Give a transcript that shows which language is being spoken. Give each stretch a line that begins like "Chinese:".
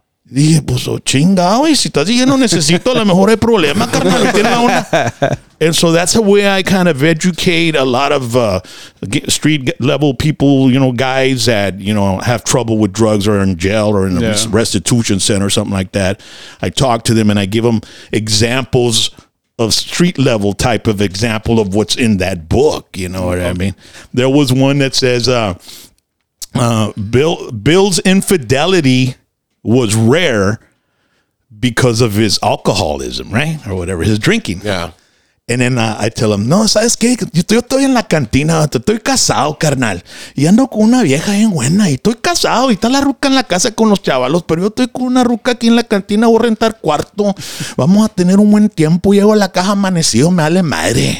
Spanish: Dije, pues, chingado, y si estás diciendo necesito, a lo mejor hay problema, carnal.
English: And so that's the way I kind of educate a lot of street level people, you know, guys that, you know, have trouble with drugs or in jail or in a restitution center or something like that. I talk to them and I give them examples of street level type of example of what's in that book. You know what I mean? There was one that says, Bill's infidelity was rare because of his alcoholism, right? Or whatever, his drinking. Yeah. And then I tell him, no,
Spanish: ¿sabes qué? Yo estoy en la cantina, estoy casado, carnal. Y ando con una vieja bien buena, y estoy casado, y está la ruca en la casa con los chavalos, pero yo estoy con una ruca aquí en la cantina, voy a rentar cuarto, vamos a tener un buen tiempo, llego a la casa amanecido, me vale madre.